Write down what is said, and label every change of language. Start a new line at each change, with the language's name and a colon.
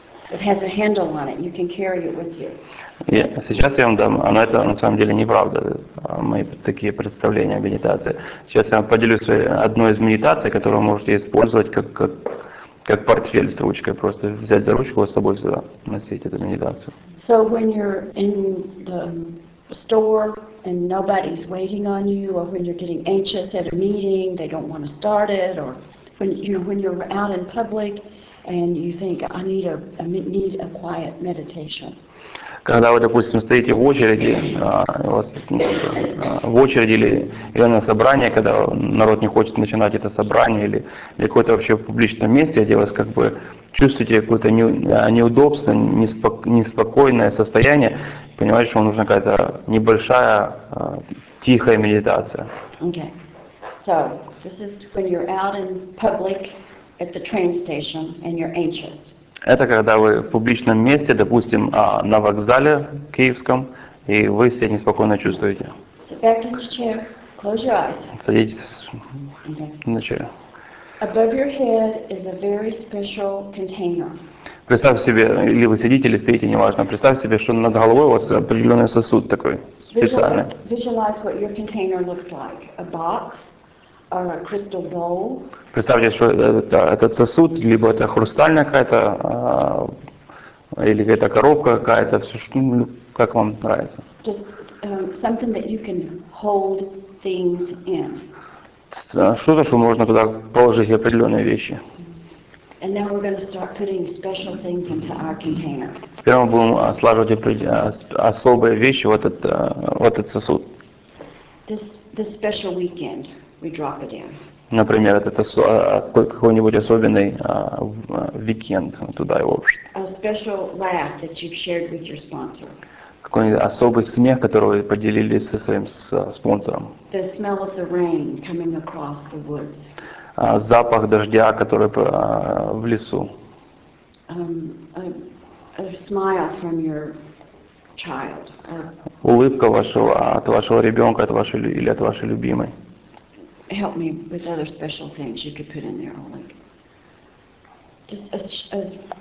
English: It has a handle on it. You can carry it with you.
Russian: Yeah, сейчас я вам дам, но это на самом деле неправда, мои такие представления о медитации. Сейчас я вам поделюсь одной из медитаций, которую вы можете использовать как портфель с ручкой, просто взять за ручку и с собой сюда носить эту медитацию.
English: So when you're in the store and nobody's waiting on you, or when you're getting anxious at a meeting, they don't want to start it, or when you're out in public and you think I need a quiet meditation.
Russian: Когда вы, допустим, стоите в очереди, в очереди или на собрание, когда народ не хочет начинать это собрание, или какое-то вообще в публичном месте, где вас как бы чувствуете какое-то неудобство, неспокойное состояние, понимаете, что вам нужна какая-то небольшая, тихая медитация.
English: Okay. So, this is when you're out in public at the train station and you're anxious.
Russian: Это когда вы в публичном месте, допустим, на вокзале киевском, и вы себя неспокойно чувствуете.
English: Sit back in your chair. Close your eyes.
Russian: Садитесь на чай.
English: Above your head is a very special container.
Russian: Представь себе, или вы сидите, или стоите, неважно. Представь себе, что над головой у вас определенный сосуд такой, специальный.
English: Visualize what your container looks like. A box. Or a crystal bowl.
Russian: Представьте, что этот сосуд, либо это хрустальная какая-то, или какая-то коробка какая-то, все, что, как вам нравится.
English: Just something that you can hold things in.
Russian: Что-то, что можно туда положить определенные вещи.
English: And now we're going to start putting special things into our container.
Russian: Теперь мы будем складывать особые вещи в этот сосуд.
English: This special weekend. We drop it in.
Russian: Например, это какой-нибудь особенный викенд туда его.
English: A special laugh that you've shared with your sponsor.
Russian: Какой-нибудь особый смех, который вы поделились со своим спонсором.
English: The smell of the rain coming across the woods.
Russian: Запах дождя, который в лесу.
English: A smile from your child.
Russian: Улыбка от вашего ребенка, от вашей любимой.
English: Help me with other special things you could put in there, like just as.